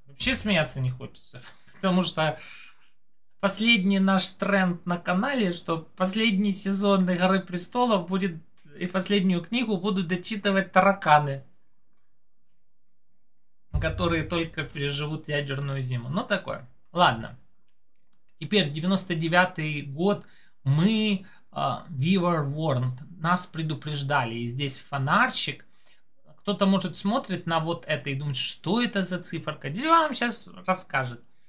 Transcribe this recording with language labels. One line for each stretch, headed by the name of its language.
Russian: Вообще смеяться не хочется, потому что последний наш тренд на канале, что последний сезон «Игры престолов» будет и последнюю книгу будут дочитывать тараканы, которые только переживут ядерную зиму. Ну, такое. Ладно. Теперь 99-й год.
English: Мы, we were warned.
Russian: Нас предупреждали. И здесь фонарщик. Кто-то, может, смотрит на вот это и думает, что это за циферка. Дядя вам сейчас расскажет.